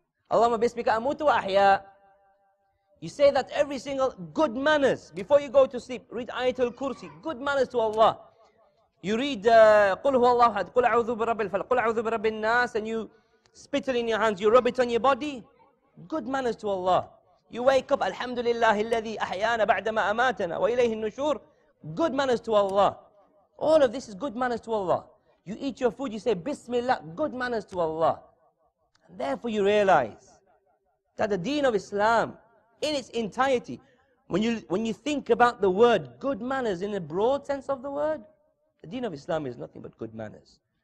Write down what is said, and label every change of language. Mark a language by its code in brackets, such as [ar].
[ar] Allahumma bismika amutu wa ahya. [en] You say that every single, good manners. Before you go to sleep, read Ayatul Kursi. Good manners to Allah. You read [ar] قُلْ هُوَ اللَّهُ هَدْ قُلْ أَعُوذُ بِرَبِّ الْفَلَقِ قُلْ أَعُوذُ بِرَبِّ النَّاسِ, [en] and you spit it in your hands, you rub it on your body. Good manners to Allah. You wake up, [ar] Alhamdulillahi الَّذِي أَحْيَانَ بَعْدَمَا أَمَاتَنَا وَإِلَيْهِ النُّشُورِ. [en] Good manners to Allah. All of this is good manners to Allah. You eat your food, you say Bismillah, good manners to Allah. And therefore you realize that the deen of Islam in its entirety, when you think about the word good manners in the broad sense of the word, the deen of Islam is nothing but good manners.